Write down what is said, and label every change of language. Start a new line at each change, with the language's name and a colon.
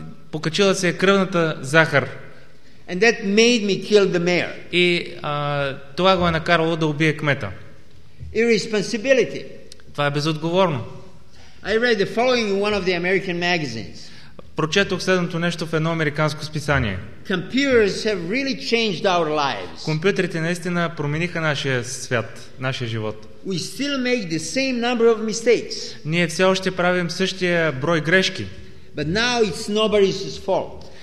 Bulgarian: Покачила се кръвната захар.
English: And that made me kill the mayor.
Bulgarian: И това го е накарало да убие кмета.
English: Irresponsibility.
Bulgarian: Това е безотговорно.
English: I read the following in one of the American magazines.
Bulgarian: Прочетох следното нещо в едно американско списание.
English: Computers have really changed our lives.
Bulgarian: Компютрите наистина промениха нашия свят, нашия живот.
English: We still make the same number of mistakes.
Bulgarian: Ние все още правим същия брой грешки.
English: But now it's nobody's fault.